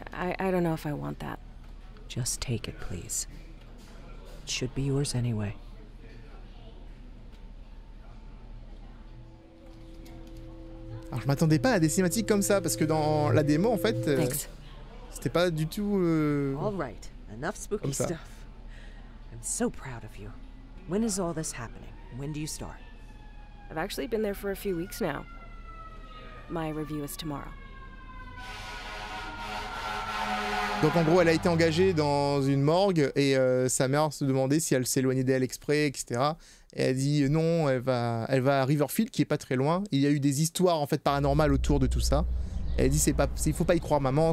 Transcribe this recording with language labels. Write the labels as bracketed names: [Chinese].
[English] I don't know if I want that. Just take it, please. It should be yours anyway. [French] Alors, je m'attendais pas à des cinématiques comme ça, parce que dans la démo, en fait, c'était pas du tout [English] All right, enough spooky stuff. I'm so proud of you. When is all this happening? When do you start? I've actually been there for a few weeks now. My review is tomorrow. [French] Donc en gros, elle a été engagée dans une morgue et sa mère se demandait si elle s'éloignait d'elle exprès, etc. Et elle dit non, elle va à Riverfield, qui est pas très loin. Il y a eu des histoires en fait paranormales autour de tout ça. Et elle dit il faut pas y croire, maman.